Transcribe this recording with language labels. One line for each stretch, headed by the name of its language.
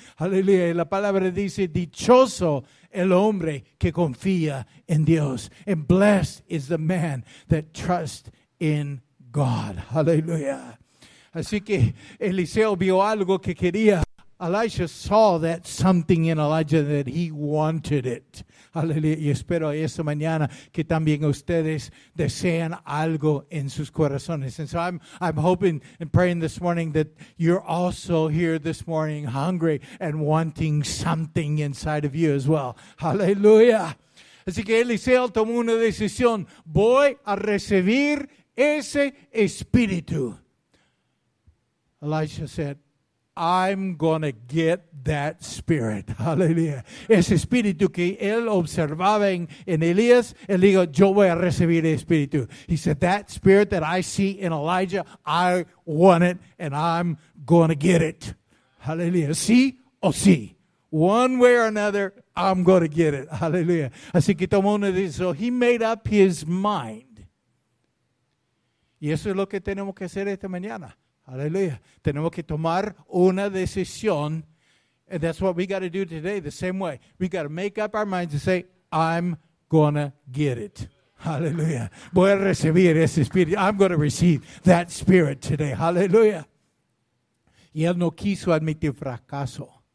English: Hallelujah.
Spanish: Y la palabra dice, dichoso el hombre que confía en Dios.
English: And blessed is the man that trusts in God. Hallelujah.
Spanish: Así que Eliseo vio algo que quería.
English: Elisha saw that something in Elijah that he wanted it.
Spanish: Hallelujah. Y espero esta mañana que también ustedes desean algo en sus corazones.
English: And so I'm hoping and praying this morning that you're also here this morning hungry and wanting something inside of you as well. Hallelujah.
Spanish: Así que Eliseo tomó una decisión. Voy a recibir ese espíritu.
English: Elisha said, I'm going to get that spirit. Hallelujah.
Spanish: Ese espíritu que él observaba en Elías, él dijo, yo voy a recibir el espíritu.
English: He said, that spirit that I see in Elijah, I want it, and I'm going to get it. Hallelujah.
Spanish: Sí o sí.
English: One way or another, I'm going to get it. Hallelujah.
Spanish: Así que tomó una decisión.
English: So he made up his mind.
Spanish: Y eso es lo que tenemos que hacer esta mañana. Hallelujah. Tenemos que tomar una decisión.
English: And that's what we got to do today the same way. We got to make up our minds and say, I'm going to get it. Hallelujah.
Spanish: Voy a recibir ese espíritu.
English: I'm going to receive that spirit today. Hallelujah.
Spanish: Y él no quiso admitir fracaso.